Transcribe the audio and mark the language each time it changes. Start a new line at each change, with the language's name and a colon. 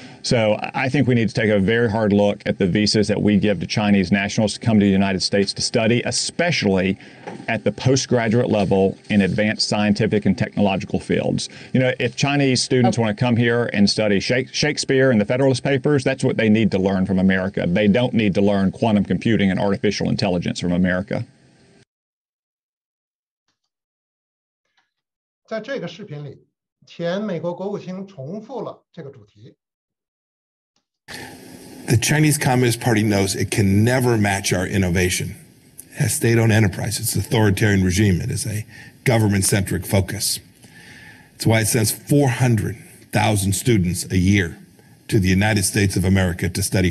English: So I think we need to take a very hard look at the visas that we give to Chinese nationals to come to the United States to study, especially at the postgraduate level in advanced scientific and technological fields. You know, if Chinese students want to come here and study Shakespeare and the Federalist Papers, that's what they need to learn from America. They don't need to learn quantum computing and artificial intelligence from America.
Chinese: 在这个视频里，前美国国务卿重复了这个主题。
English: The Chinese Communist Party knows it can never match our innovation. It has state-owned enterprise. It's an authoritarian regime. It is a government-centric focus. It's why it sends 400,000 students a year to the United States of America to study.